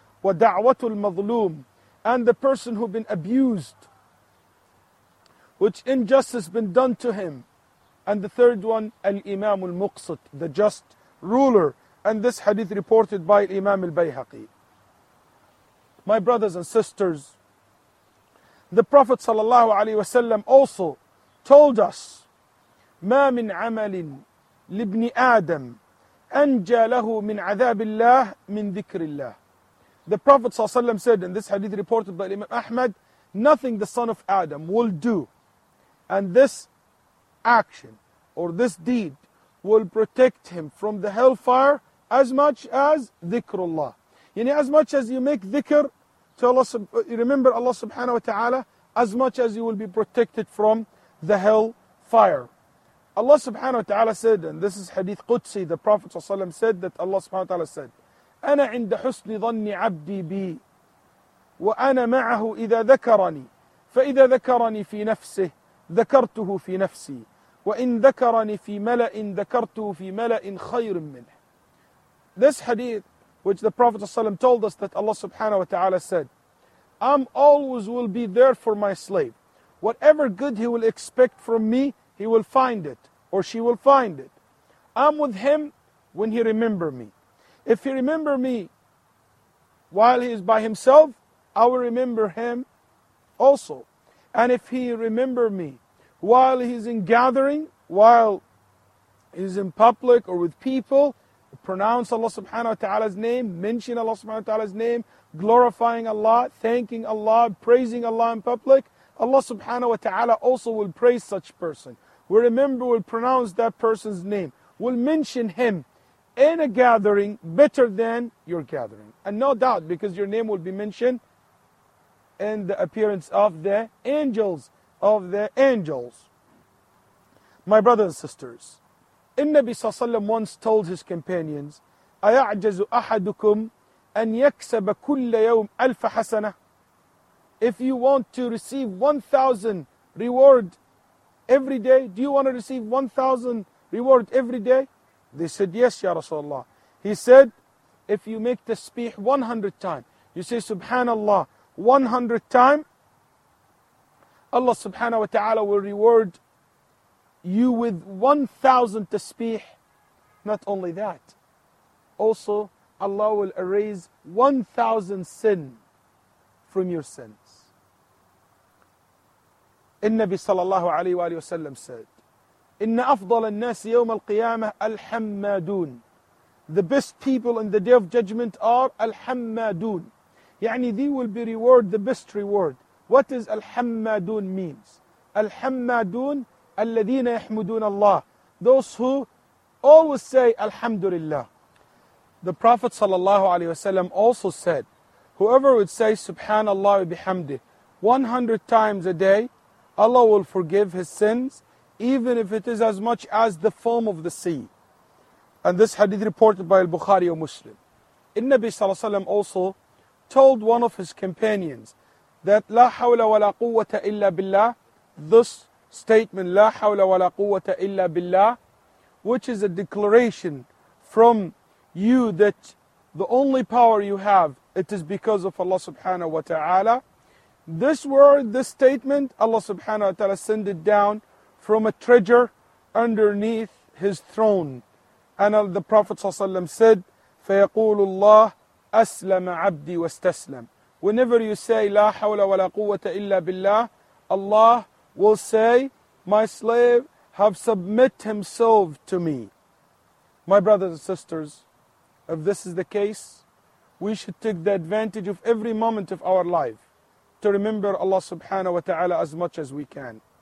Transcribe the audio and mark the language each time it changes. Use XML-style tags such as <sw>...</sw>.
<ar>وَدَعْوَةُ المظلوم.</ar> <en>And the person who been abused, which injustice been done to him. And the third one, al-imam al-muqsit, the just ruler. And this hadith reported by Imam al-Bayhaqi. My brothers and sisters, the Prophet sallallahu alaihi wasallam also told us,</en> <ar>مَا مِنْ عَمَلٍ لِبْنِ آدَمْ أَنْجَى لَهُ مِنْ عَذَابِ اللَّهِ مِنْ ذِكْرِ اللَّهِ.</ar> <en>The Prophet sallallahu alaihi wasallam said, and this hadith reported by Imam Ahmad, nothing the son of Adam will do, and this action or this deed will protect him from the hellfire as much as dhikrullah. Yani as much as you make dhikr to Allah, you remember Allah subhanahu wa ta'ala, as much as you will be protected from the hellfire. Allah subhanahu wa ta'ala said, and this is hadith Qudsi, the Prophet sallallahu alaihi wasallam said that Allah subhanahu wa ta'ala said,</en> <ar>أنا عند حسن ظن عبدي بي وأنا معه إذا ذكرني فإذا ذكرني في نفسه ذكرته في نفسي وإن ذكرني في ملأ ذكرته في ملأ خير منه.</ar> <en>This hadith which the Prophet ﷺ told us that Allah subhanahu wa ta'ala said, I'm always will be there for my slave. Whatever good he will expect from me, he will find it or she will find it. I'm with him when he remember me. If he remember me while he is by himself, I will remember him also. And if he remember me while he's in gathering, while he's in public or with people, pronounce Allah subhanahu wa ta'ala's name, mention Allah subhanahu wa ta'ala's name, glorifying Allah, thanking Allah, praising Allah in public, Allah subhanahu wa ta'ala also will praise such person. We remember, we'll pronounce that person's name. We'll mention him in a gathering better than your gathering. And no doubt, because your name will be mentioned in the appearance of the angels of the angels. My brothers and sisters,</en> <ar>النبي صلى الله عليه وسلم</ar> <en>once told his companions,</en> <ar>أَيَعْجَزُ أَحَدُكُمْ أَنْ يَكْسَبَ كُلَّ يَوْمْ أَلْفَ حَسَنَةً.</ar> <en>If you want to receive 1,000 reward every day, do you want to receive 1,000 reward every day? They said, yes, Ya Rasulullah. He said, if you make tasbih 100 times, you say Subhanallah 100 times, Allah subhanahu wa ta'ala will reward you with 1,000 tasbih. Not only that, also Allah will erase 1,000 sin from your sins. Al-Nabi sallallahu alayhi wa alayhi wa sallam said,</en> <ar>إن أفضل الناس يوم القيامة الحمادون.</ar> <en>The best people in the day of judgment are الحمادون. يعني they will be rewarded the best reward. What is الحمادون means?</en> <ar>الحمادون الذين يحمدون الله.</ar> <en>Those who always say</en> <ar>الحمد لله.</ar> <en>The Prophet صلى الله عليه وسلم also said, whoever would say</en> <ar>سبحان الله وبحمده</ar> <en>100 times a day, Allah will forgive his sins, even if it is as much as the foam of the sea. And this hadith reported by Al-Bukhari or Muslim. Al-Nabi sallallahu alayhi wa sallam also told one of his companions that</en> <ar>لا حول ولا قوة إلا بالله.</ar> <en>This statement,</en> <ar>لا حول ولا قوة إلا بالله,</ar> <en>which is a declaration from you that the only power you have, it is because of Allah subhanahu wa ta'ala. This word, this statement, Allah subhanahu wa ta'ala send it down from a treasure underneath his throne. And the Prophet ﷺ said,</en> <ar>فَيَقُولُ اللَّهُ أَسْلَمَ عَبْدِي وَاسْتَسْلَمَ.</ar> <en>Whenever you say,</en> <ar>لَا حَوْلَ وَلَا قُوَّةَ إِلَّا بِاللَّهِ,</ar> <en>Allah will say, my slave have submit himself to me. My brothers and sisters, if this is the case, we should take the advantage of every moment of our life to remember Allah subhanahu wa ta'ala as much as we can.</en>